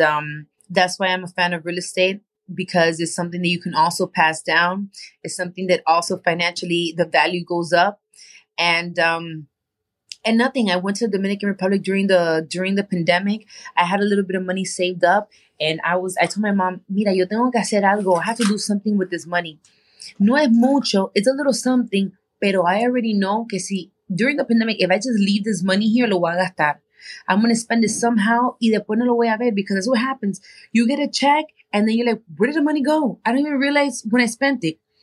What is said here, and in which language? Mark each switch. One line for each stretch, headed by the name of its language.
English: And that's why I'm a fan of real estate, because it's something that you can also pass down. It's something that also financially the value goes up. And nothing. I went to the Dominican Republic during the pandemic. I had a little bit of money saved up. And I told my mom,
Spanish: mira, yo tengo que hacer algo.
English: I have to do something with this money.
Spanish: No es mucho.
English: It's a little something.
Spanish: Pero
English: I already know
Spanish: que si,
English: during the pandemic, if I just leave this money here,
Spanish: lo voy a gastar.
English: I'm going to spend it somehow.
Spanish: Y después no lo voy a ver.
English: Because that's what happens. You get a check and then you're like, where did the money go? I don't even realize when I spent it.